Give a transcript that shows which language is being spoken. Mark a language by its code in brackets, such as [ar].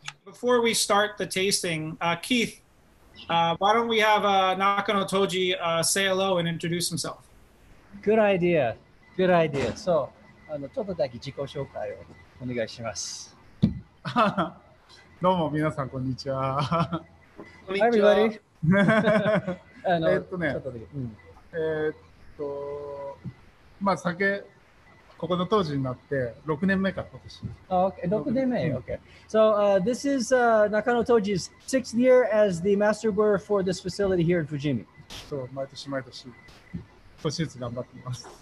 [en] Before we start the tasting, Keith, why don't we have Nakano Toji say hello and introduce himself? Good idea. Good idea. [ja] So, ちょっとだけ自己紹介をお願いします. どうも皆さんこんにちは. [en] Hi everybody. This is Nakano Toji's sixth year as the master brewer for this facility here in Fujimi. [ja] So, 毎年毎年少しずつ頑張っています.